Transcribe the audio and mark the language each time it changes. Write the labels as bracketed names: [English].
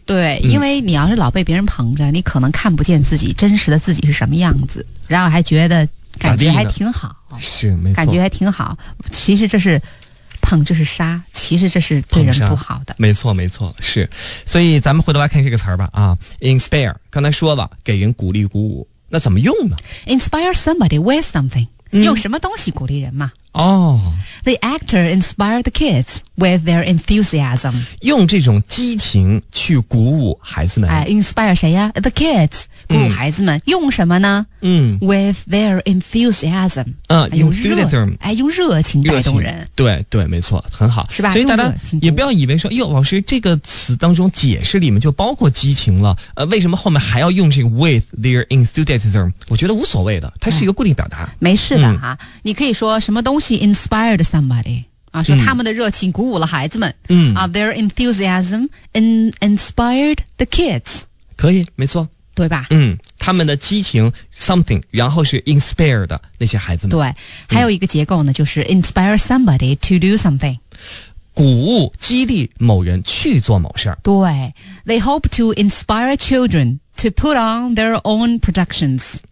[Chinese] 对，因为你要是老被别人捧着，你可能看不见自己真实的自己是什么样子，然后还觉得感觉还挺好，是没错，感觉还挺好。其实这是捧就是杀，其实这是对人不好的。没错没错，是。所以咱们回头来看这个词儿吧啊 ，inspire， 刚才说了，给人鼓励鼓舞。那怎么用呢？ [English] Inspire somebody with something， [Chinese] 用什么东西鼓励人嘛？ Oh. [English] The actor inspired the kids with their enthusiasm. [Chinese] 用这种激情去鼓舞孩子们。 Inspire 谁呀、啊、 [English] The kids. [Chinese] 鼓舞孩子们、嗯、用什么呢、嗯、 [English] With their enthusiasm. Enthusiasm. [Chinese] 用热情带动人。对对没错很好。是吧所以大家也不要以为说哟老师这个词当中解释里面就包括激情了。为什么后面还要用这个 [English] with their enthusiasm? [Chinese] 我觉得无所谓的它是一个固定表达。没事的、嗯、啊你可以说什么东西 [English] inspired somebody, [Chinese] 啊说他们的热情鼓舞了孩子们。嗯 [English] 啊 their enthusiasm inspired the kids. [Chinese] 可以没错。对吧嗯他们的激情 something, 然后是 inspired 的那些孩子们。对还有一个结构呢、嗯、就是 [English] inspire somebody to do something。 [Chinese] 鼓舞激励某人去做某事儿。 [English] 对 ,they hope to inspire children to put on their own productions.